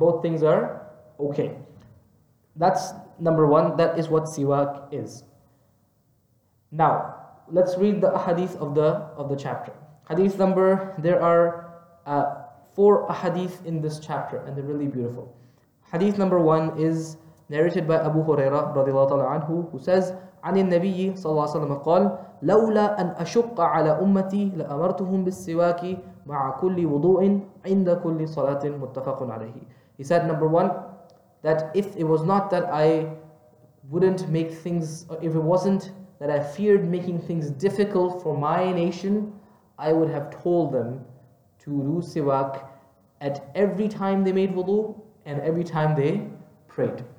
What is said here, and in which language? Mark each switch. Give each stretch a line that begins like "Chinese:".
English: Both things are okay. That's number one. That is what siwak is. Now, let's read the ahadith of the chapter. Hadith number, there are four ahadith in this chapter, and they're really beautiful. Hadith number one is narrated by Abu Huraira radiallahu ta'ala anhu, who says,
Arabic: عن النبي صلى الله عليه وسلم قال لولا أن أشق على أمتي لأمرتهم بالسواك مع كل وضوء عند كل صلاة متفق عليه.
English: He said, number one, that if it was not that I wouldn't make things, if it wasn't that I feared making things difficult for my nation, I would have told them to do siwak at every time they made wudu and every time they prayed.